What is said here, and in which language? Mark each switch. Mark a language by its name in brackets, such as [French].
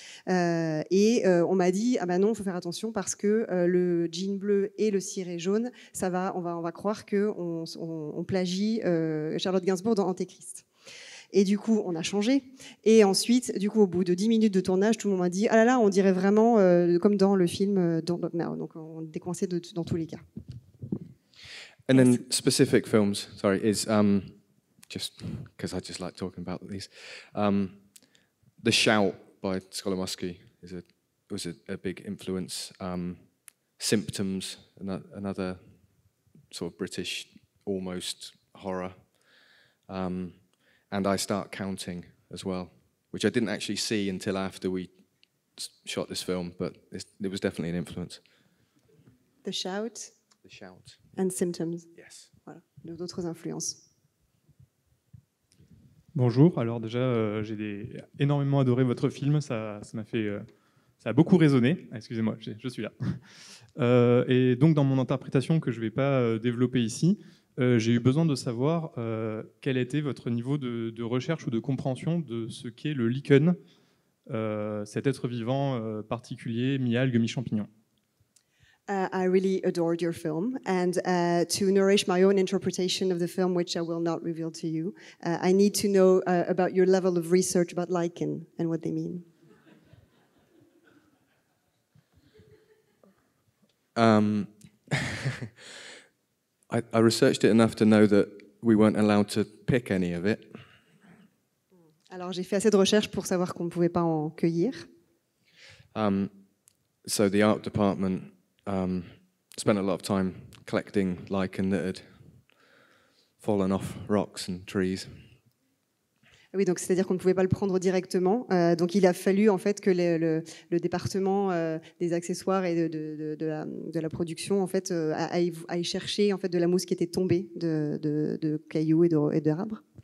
[French] On m'a dit, ah ben non, il faut faire attention parce que le jean bleu et le ciré jaune, ça va, on va croire qu'on plagie Charlotte Gainsbourg dans Antéchrist. Et du coup, on a changé. Et ensuite, du coup, au bout de 10 minutes de tournage, tout le monde m'a dit, ah là là, on dirait vraiment comme dans le film Don't Look Now. Donc, on est coincé dans tous les cas. [English] And then, specific films, sorry, is just because I just like talking about these. The Shout by Scholar Muskie was a big influence. Symptoms, another sort of British almost horror. And I start counting as well, which I didn't actually see until after we shot this film, but it was definitely an influence. The shout? The shout. And symptoms? Yes. [French] Voilà. D'autres influences. Bonjour. Alors déjà, j'ai énormément adoré votre film. Ça m'a fait, ça a beaucoup résonné. Excusez-moi, je suis là. Et donc, dans mon interprétation que je ne vais pas développer ici, j'ai eu besoin de savoir quel était votre niveau de recherche ou de compréhension de ce qu'est le lichen, cet être vivant particulier, mi-algue, mi-champignon. [English] I really adored your film, and to nourish my own interpretation of the film, which I will not reveal to you, I need to know about your level of research about lichen and what they mean. I researched it enough to know that we weren't allowed to pick any of it. [French] Alors j'ai fait assez de recherches pour savoir qu'on ne pouvait pas en cueillir. [English] So the art department spent a lot of time collecting lichen that had fallen off rocks and trees. [French] Oui, donc c'est-à-dire qu'on ne pouvait pas le prendre directement. Donc il a fallu en fait que le département des accessoires et de la production en fait aille chercher en fait de la mousse qui était tombée de cailloux et d'arbres.